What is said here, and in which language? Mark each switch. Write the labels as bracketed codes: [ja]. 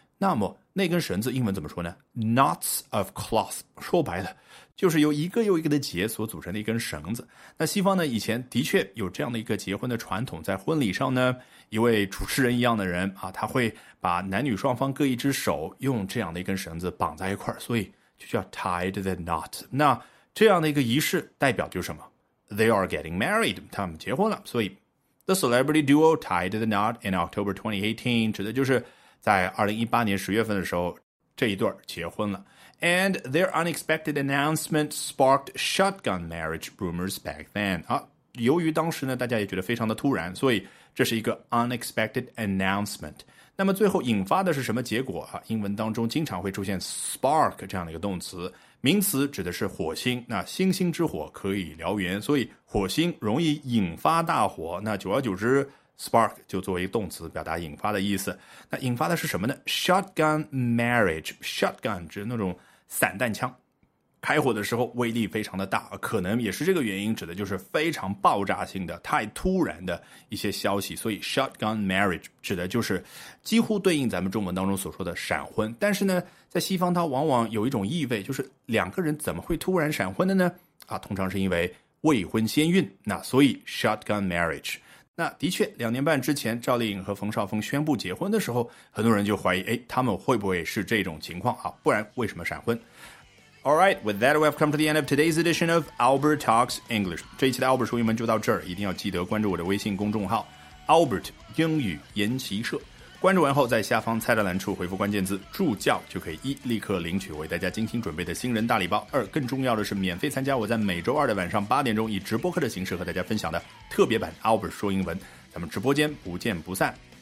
[zh] 那么那根绳子英文怎么说呢？ [en] Knots of cloth, [zh] 说白了就是由一个又一个的结所组成的一根绳子。那西方呢以前的确有这样的一个结婚的传统，在婚礼上呢一位主持人一样的人啊，他会把男女双方各一只手用这样的一根绳子绑在一块，所以就叫 [en] tied the knot。 [zh] 那这样的一个仪式代表就是什么？ [en] They are getting married, [zh] 他们结婚了。所以 [en] The celebrity duo tied the knot in October 2018 [zh] 指的就是在2018年10月份的时候这一对结婚了。 [en] And their unexpected announcement sparked shotgun marriage rumors back then、 [zh] 啊、由于当时呢大家也觉得非常的突然，所以这是一个 [en] unexpected announcement。 [zh] 那么最后引发的是什么结果、啊、英文当中经常会出现 spark 这样的一个动词，名词指的是火星，那星星之火可以燎原，所以火星容易引发大火，那久而久之Spark 就作为一个动词表达引发的意思。那引发的是什么呢？ Shotgun marriage, shotgun 指那种散弹枪，开火的时候威力非常的大，可能也是这个原因，指的就是非常爆炸性的太突然的一些消息。所以 shotgun marriage 指的就是几乎对应咱们中文当中所说的闪婚。但是呢在西方它往往有一种意味，就是两个人怎么会突然闪婚的呢？啊，通常是因为未婚先孕，那所以 shotgun marriage。那的确两年半之前赵丽颖和冯绍峰宣布结婚的时候，很多人就怀疑，哎，他们会不会是这种情况啊？不然为什么闪婚？ [en] Alright, with that we have come to the end of today's edition of Albert Talks English。 [zh] 这一期的 Albert 说英文就到这儿，一定要记得关注我的微信公众号 Albert 英语研习社，关注完后在下方菜单栏处回复关键字助教，就可以一立刻领取为大家精心准备的新人大礼包，二更重要的是免费参加我在每周二的晚上8点钟以直播课的形式和大家分享的特别版 Albert 说英文，咱们直播间不见不散。